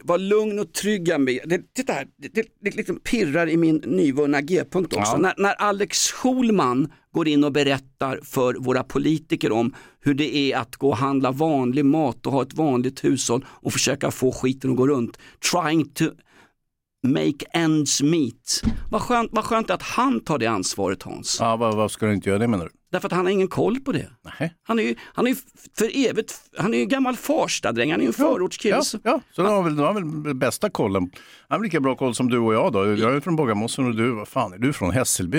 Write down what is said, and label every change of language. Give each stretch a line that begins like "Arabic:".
Swedish: Vad lugn och trygg jag blir. Titta här, det liksom pirrar i min nyvunna G-punkt också. Ja. När Alex Schulman går in och berättar för våra politiker om hur det är att gå och handla vanlig mat och ha ett vanligt hushåll och försöka få skiten att gå runt.
English: Trying to make ends meet.
Swedish: Vad skönt att han tar det ansvaret, Hans. Ja, vad ska du inte göra det, menar du? Därför att han har ingen koll på det. Nej. Han är ju för evigt, han är ju gammal Farstadräng, han är ju en förortskille. Ja, så han har väl bästa kollen. Han har lika bra koll som du och jag då. Jag är från Bågamossen och du, vad fan är du från Hässelby?